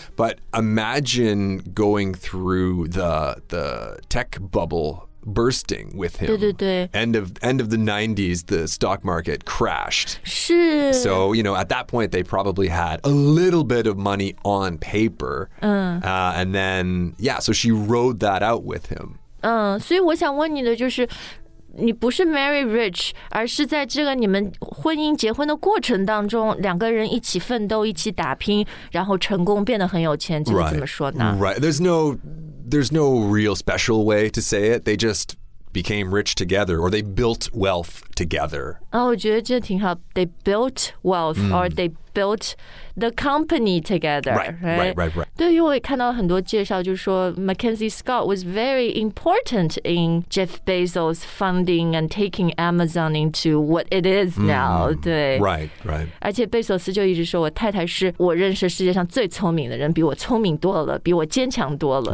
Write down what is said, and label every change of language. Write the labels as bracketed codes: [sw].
[en] But imagine going through the tech bubble bursting with him. [zh] 对对对 [en] end of the 90s, the stock market crashed. [zh] 是 [en] So, you know, at that point, they probably had a little bit of money on paper. And then, yeah, so she rode that out with him. [zh] 所以我想问你的就是你不是 [en] marry rich [zh] 而是在这个你们婚姻结婚的过程当中两个人一起奋斗一起打拼然后成功变得很有钱就怎么说呢 [en] Right, there's no real special way to say it. They just became rich together or they built wealth together. [zh] 我觉得这挺好 [en] They built wealth or they built the company together. Right. [zh] 对于我也看到很多介绍就是说 [en] Mackenzie Scott was very important in Jeff Bezos funding and taking Amazon into what it is now. [zh] Mm. 对 [en] Right. [zh] 而且贝索斯就一直说我太太是我认识世界上最聪明的人比我聪明多了比我坚强多了